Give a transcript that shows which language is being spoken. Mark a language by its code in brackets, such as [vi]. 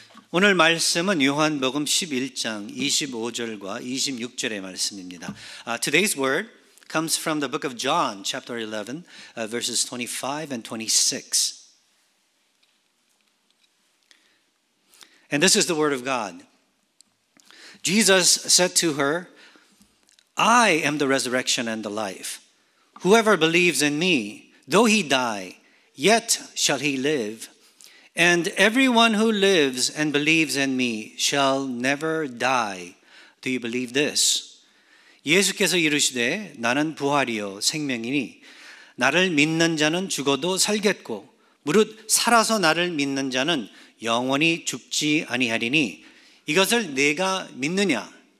[ko] 오늘 말씀은 요한복음 11장 25절과 26절의 말씀입니다. [en] Today's word comes from the book of John, chapter 11, verses 25 and 26. And this is the word of God. Jesus said to her, I am the resurrection and the life. Whoever believes in me, though he die, yet shall he live. And everyone who lives and believes in me shall never die. Do you believe this? [ko] 예수께서 이르시되 나는 부활이요 생명이니 나를 믿는 자는 죽어도 살겠고 무릇 살아서 나를 믿는 자는 영원히 죽지 아니하리니 이것을 내가 믿느냐?